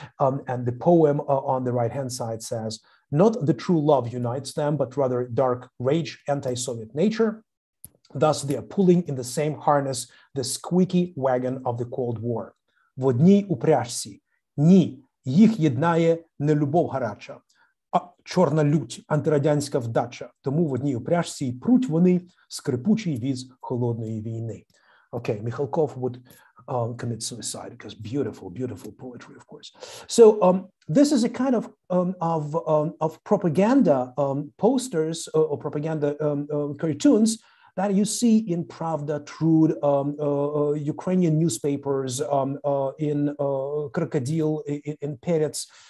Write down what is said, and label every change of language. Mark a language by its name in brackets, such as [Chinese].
[English] And the poem on the right-hand side says, "Not the true love unites them, but rather dark rage, anti-Soviet nature. Thus, they are pulling in the same harness the squeaky wagon of the Cold War. [Ukrainian] В одній упряжці, ні, їх єднає не любов гаряча, а чорна лють, антирадянська вдача. Тому в одній упряжці і пруть вони скрипучий віз холодної війни." [English] Okay, Михалков would commit suicide because beautiful, beautiful poetry, of course. So this is a kind of propaganda posters or propaganda cartoons that you see in Pravda, Trud, Ukrainian newspapers, in Krokodil, in Perets.